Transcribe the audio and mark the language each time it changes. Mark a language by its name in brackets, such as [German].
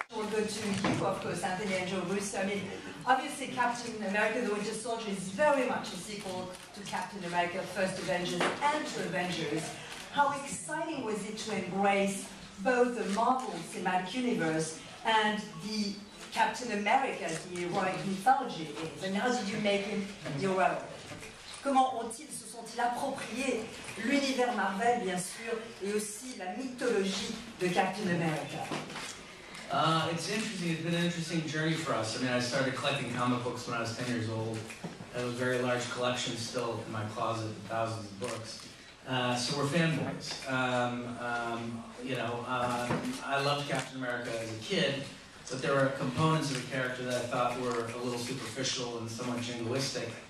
[English] good to keep, of course, Anthony and Joe Russo. I mean, obviously, Captain America, the Winter Soldier, is very much a sequel to Captain America, First Avengers, and to Avengers. How exciting was it to embrace both the Marvel Cinematic Universe and the Captain America, the heroic mythology? And how did you make him your own? [French] Comment ont-ils, se sont-ils appropriés l'univers Marvel, bien sûr, et aussi la mythologie de Captain America? [English] It's interesting. It's been an interesting journey for us. I mean, I started collecting comic books when I was 10 years old. I have a very large collection still in my closet, thousands of books. So we're fanboys. I loved Captain America as a kid, but there were components of the character that I thought were a little superficial and somewhat jingoistic.